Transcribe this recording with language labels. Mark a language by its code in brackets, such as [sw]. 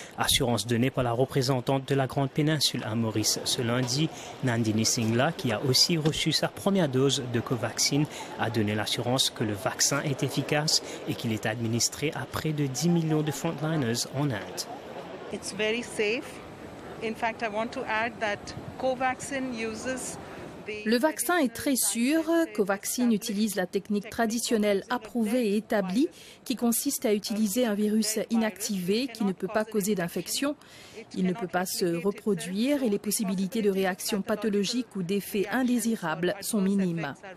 [fr] Assurance donnée par la représentante de la Grande Péninsule à Maurice ce lundi, Nandini Singla, qui a aussi reçu sa première dose de Covaxin, a donné l'assurance que le vaccin est efficace et qu'il est administré à près de 10 millions de frontliners en Inde. [en] It's very safe. In fact, I want to add that Covaxin uses... [fr] Le vaccin est très sûr. Covaxin utilise la technique traditionnelle approuvée et établie qui consiste à utiliser un virus inactivé qui ne peut pas causer d'infection. Il ne peut pas se reproduire et les possibilités de réactions pathologiques ou d'effets indésirables sont minimes.